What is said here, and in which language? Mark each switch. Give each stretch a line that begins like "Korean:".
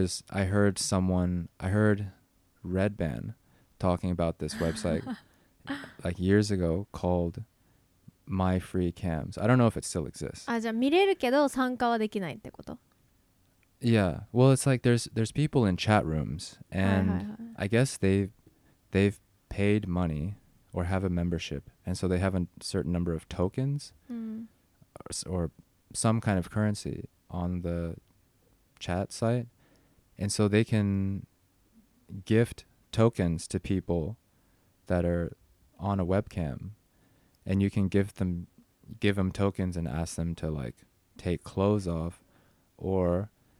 English: I heard Redban talking about this website like years ago called My Free Cams. I don't know if it still exists.
Japanese: あ、じゃあ見れるけど参加はできないってこと? Yeah.
English: Well, it's like there's people in chat rooms and I guess they've paid money or have a membership and so they have a certain number of tokens or some kind of currency on the chat site and so they can gift tokens to people that are on a webcam and you can give them tokens and ask them to like take clothes off or